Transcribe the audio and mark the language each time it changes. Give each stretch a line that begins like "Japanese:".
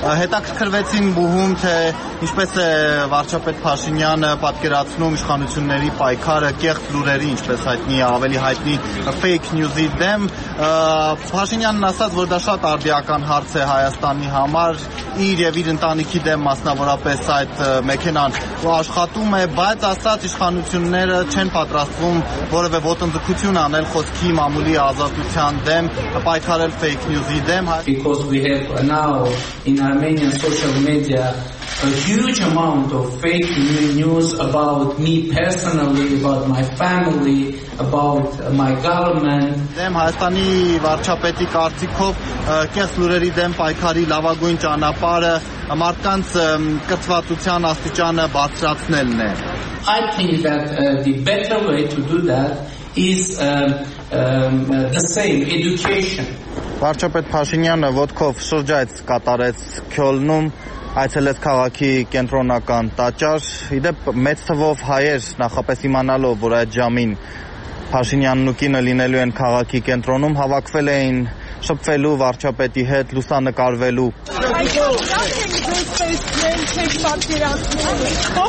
Armenian: Հետաքրքրվեցին բուհում, թե ինչպես է վարչապետ Փաշինյանը պատկերացնում իշխանությունների պայքարը կեղծ լուրերի, ինչպես հայտնի է, ավելի հայտնի fake news-ի դեմ։ Փաշինյանն ասաց, որ դա շատ արդիական հարց է Հայաստանի համար, իր եւ իր ընտանիքի դեմ մասնավորապես այդ մեխանան աշխատում է, բայց ասաց, իշխանությունները չեն պատրաստվում որևէ ոտնձգություն անել խոսքի մամուլի ազատության դեմ, պայքարել fake news-ի դեմ,
English: Now in Armenian social media a huge amount of fake news about me personally, about my family, about my government.
Armenian: Դեմ Հայաստանի վարչապետի կարծիքով կեղծ լուրերի դեմ պայքարի լավագույն ճանապարհը մարդկանց կրթվածության աստիճանը բարձրացնելն է։
English: I think that the better way to do that is the same education.
Armenian: Վարչապետ Փաշինյանը ոտքով շրջայց կատարեց Քյոլնում, այցելեց քաղաքի կենտրոնական տաճար, իդեպ մեծ թվով հայեր նախապես իմանալով, որ այդ ժամին Փաշինյանն ու կինը լինելու են քաղաքի կենտրոնում, հավաքվել էին շփվելու վարչապետի հետ, լուսանկարվելու։